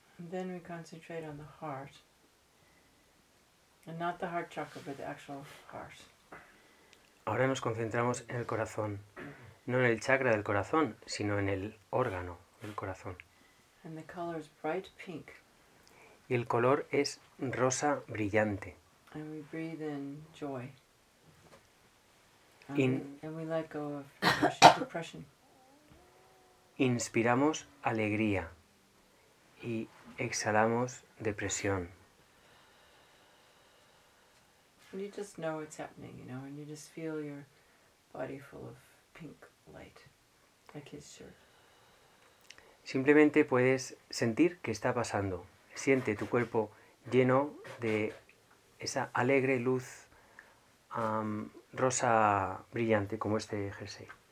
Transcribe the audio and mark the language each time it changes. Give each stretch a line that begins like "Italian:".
English: Then we concentrate on the heart, and not the heart chakra, but the actual heart.
Spanish: Ahora nos concentramos en el corazón, no en el chakra del corazón, sino en el órgano del corazón.
English: And the color is bright pink.
Spanish: Y el color es rosa brillante.
English: And we breathe in joy. And we let go of depression.
Spanish: Inspiramos alegría y exhalamos depresión.
English: And you just know what's happening, you know, and you just feel your body full of pink light, like his shirt.
Spanish: Simplemente puedes sentir qué está pasando. Siente tu cuerpo lleno de esa alegre luz rosa brillante, como este jersey.